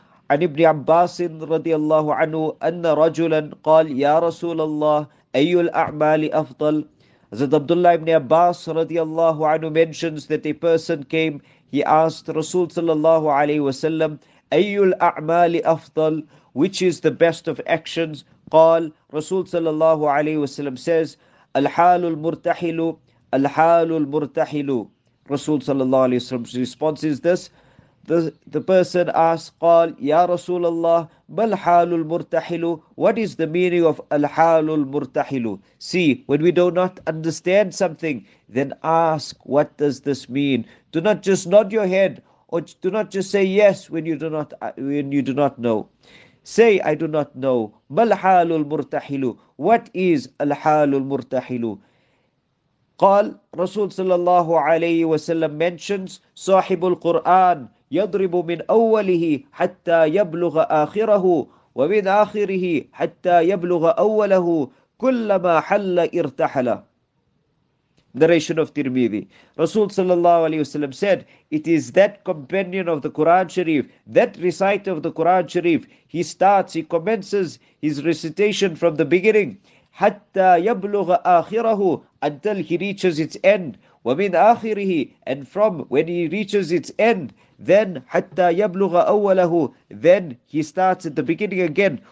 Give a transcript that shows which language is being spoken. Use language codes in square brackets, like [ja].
[ar] عن ابن عباس رضي الله عنه أن رجلا قال يا رسول الله أي الأعمال أفضل. [en] Hazrat Abdullah ibn Abbas رضي الله عنه mentions that a person came, he asked رسول صلى الله عليه وسلم [ar] أي الأعمال أفضل, [en] which is the best of actions. [ar] قال رسول صلى الله عليه وسلم [en] says [ar] الحال المرتحل, الحال المرتحل. رسول صلى الله عليه وسلم's [en] response is this. The person asked, [ar] قال يا رسول الله بل حال المرتحل. [en] What is the meaning of [ar] الحال المرتحل? [en] See, when we do not understand something, then ask, what does this mean? Do not just nod your head, or do not just say yes when you do not know. Say, I do not know. [ar] بل حال المرتحل. [en] What is [ar] الحال المرتحل? قال رسول صلى الله عليه وسلم [en] mentions [ar] صاحب القرآن يضرب من أوله حتى يبلغ آخره ومن آخره حتى يبلغ أوله كلما حل ارتحل. [en] Narration of Tirmidhi. Rasul sallallahu alayhi wasallam said, it is that companion of the Quran Sharif, that reciter of the Quran Sharif, he commences his recitation from the beginning, [ar] حتى يبلغ آخره, [en] until he reaches its end, ومن آخره, and from when he reaches its end, then [ar] hatta yablugha awwalahu, [en] then he starts at the beginning again.